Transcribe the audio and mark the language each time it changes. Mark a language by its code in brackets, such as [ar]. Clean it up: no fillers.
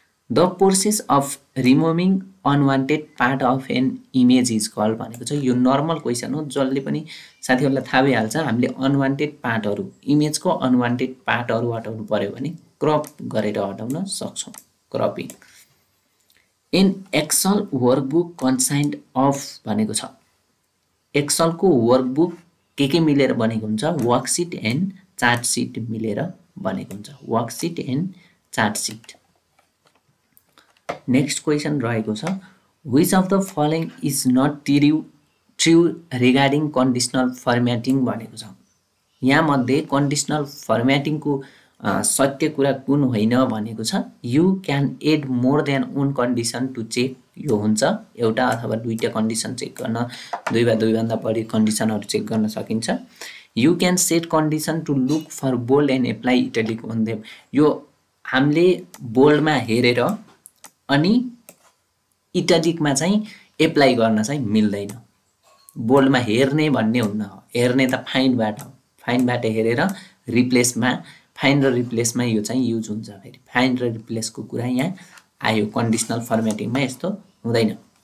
[en] The process of removing unwanted part of an image is called [ne] भनेको छ. यो normal question हो जसले पनि साथीहरुलाई थाहा भइहाल्छ. हामीले अनवान्टेड पार्टहरु इमेज को अनवान्टेड पार्टहरु हटाउनु पर्यो भने क्रप गरेर हटाउन सक्छौ. Cropping. [en] in excel workbook consigned of [ne] भनेको छ. एक्सेल को वर्कबुक के मिलेर बनेको हुन्छ. वर्कशीट एन्ड चार्ट शीट मिलेर बनेको हुन्छ. [en] Worksheet and chart sheet. Next question [ne] रहेको छ. [en] which of the following is not true regarding conditional formatting [ne] भनेको छ. यहाँ मध्ये कन्डिशनल फर्म्याटिङ को सत्य कुरा कुन होइन भनेको छ. [en] You can add more than one condition to check. [ne] यो हुन्छ एउटा अथवा दुईटा कन्डिशन चेक गर्न, दुई वा दुई भन्दा बढी कन्डिशनहरु चेक गर्न सकिन्छ. [en] You can set condition to look for bold and apply italic on them. [ne] यो हामीले बोल्ड मा हेरेर अनि इटालिकमा चाहिँ एप्लाई गर्न चाहिँ मिल्दैन बोल्डमा हेर्ने भन्ने हुन्न हेर्ने त फाइनबाट फाइनबाट हेरेर रिप्लेसमा फाइन र रिप्लेसमा यो चाहिँ युज हुन्छ फेरि फाइन र रिप्लेसको कुरा यहाँ आयो कन्डिसनल फर्मेटिङमा यस्तो हुँदैन